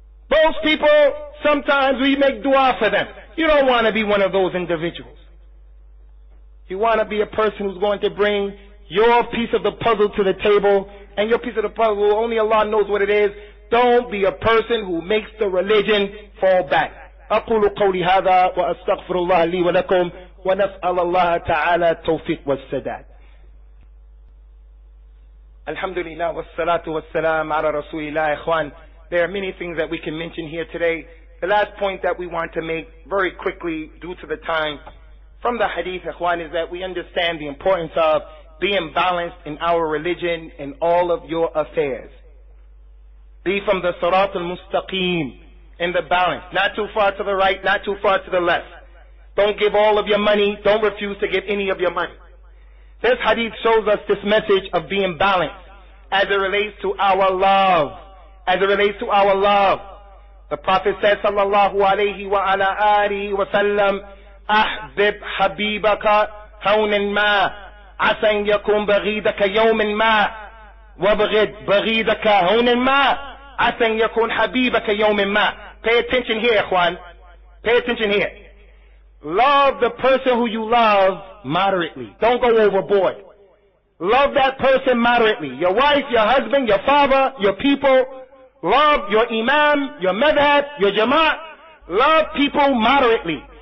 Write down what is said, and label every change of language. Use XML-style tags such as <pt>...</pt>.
<en>Those people, sometimes we make dua for them. You don't want to be one of those individuals. You want to be a person who's going to bring your piece of the puzzle to the table, and your piece of the puzzle, only Allah knows what it is. Don't be a person who makes the religion fall back.</en> <ar>أقول قولي هذا وأستغفر الله لي ولكم ونسأل الله تعالى التوفيق والسداد. الحمد لله والصلاة والسلام على رسول الله.</ar> <en>إخوان, there are many things that we can mention here today. The last point that we want to make very quickly due to the time from the hadith, إخوان, is that we understand the importance of being balanced in our religion and all of your affairs. Be from the Sirat al-Mustaqim. In the balance. Not too far to the right, not too far to the left. Don't give all of your money. Don't refuse to give any of your money. This hadith shows us this message of being balanced as it relates to our love. As it relates to our love. The Prophet said,</en> <ar>sallallahu alayhi wa ala alihi wa sallam, أحبب حبيبك كونا ما عسى أن يكون بغيدك يوما ما وبغد بغيدك كونا ما عَسَنْ يَكُونْ حَبِيبَكَ يَوْمٍ مَا.</ar> <en>Pay attention here, Juan. Pay attention here. Love the person who you love moderately. Don't go overboard. Love that person moderately. Your wife, your husband, your father, your people, Love your imam, your madhab, your jama'ah. Love people moderately.</en>